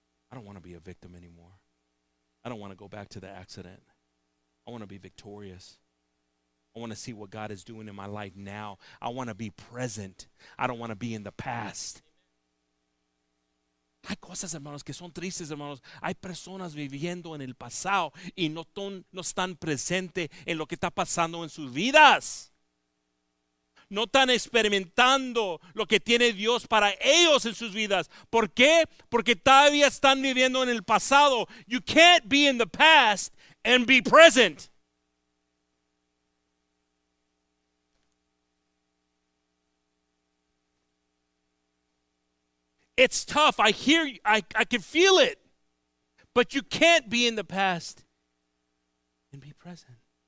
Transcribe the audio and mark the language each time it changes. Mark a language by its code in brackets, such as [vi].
[en] I don't want to be a victim anymore. I don't want to go back to the accident. I want to be victorious. I want to see what God is doing in my life now. I want to be present. I don't want to be in the past. [es] Hay cosas, hermanos, que son tristes, hermanos. Hay personas viviendo en el pasado y no están presentes en lo que está pasando en sus vidas. No están experimentando lo que tiene Dios para ellos en sus vidas. ¿Por qué? Porque todavía están viviendo en el pasado. [en] You can't be in the past and be present. It's tough. I hear you. I can feel it. But you can't be in the past and be present.